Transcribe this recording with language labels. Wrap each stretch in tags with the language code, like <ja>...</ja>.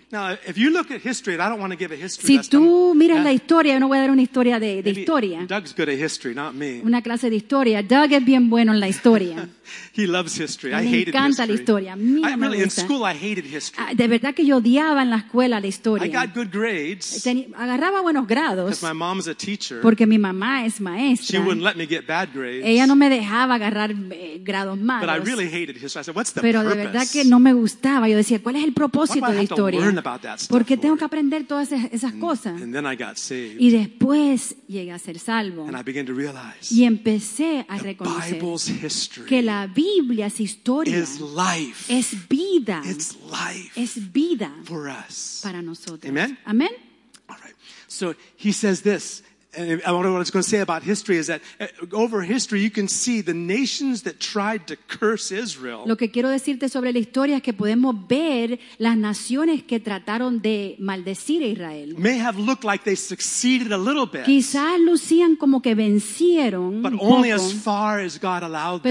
<en>Now, if you look at history, and I don't want to give a history.</en> <es>Si tú miras la historia, yo no voy a dar una historia de historia.</es> <en>Doug's good at history, not me.</en> <es>Una clase de historia. Doug es bien bueno en la historia.</es> <en>He loves history.</en> <es>Me</es> <en>I hated</en> <es>encanta</es> <en>history.</en> <es>La historia. Mira,</es> <en>I, really,</en> <es>me gusta.</es> <en>In school, I hated history.</en> <es>De verdad que yo odiaba en la escuela la historia.</es> <en>I got good grades.</en> <es>Agarraba buenos grados.</es> <en>Because my mom's a teacher.</en> <es>Porque mi mamá es maestra.</es> <en>She wouldn't let me get bad grades.</en> <es>Ella no me dejaba agarrar grados malos.</es> <en>But I really hated history. I said, what's the</en> <es>pero</es> <en>purpose?</en> <es>De verdad que no me gustaba. Yo decía, ¿cuál es el propósito</es> <en>why do</en> <es>de</es> <en>I</en> <es>historia?</es> <en>Have to learn about that stuff.</en> <es>Porque tengo que aprender todas esas cosas.</es> <en>And then I got saved.</en> <es>Y después llegué a ser salvo.</es> <en>And I began to realize.</en> <es>Y empecé a reconocer.</es> <en>Bible's history.</en> <es>Que la Biblia es historia.</es> <en>Is life.</en> <es>Es vida.</es> <en>It's life.</en> <es>Es vida.</es> <en>For us.</en> <es>Para nosotros.</es> <en>Amen.</en> <es>Amen.</es> <en>All right. So he says this. And what I was going to say about history is that over history you can see the nations that tried to curse Israel.</en> <es>Lo que quiero decirte sobre la historia es que podemos ver las naciones que trataron de maldecir a Israel.</es> <en>May have looked like they succeeded a little bit.</en> <es>Quizás lucían como que vencieron.</es> <en>But only as far as God allowed them.</en>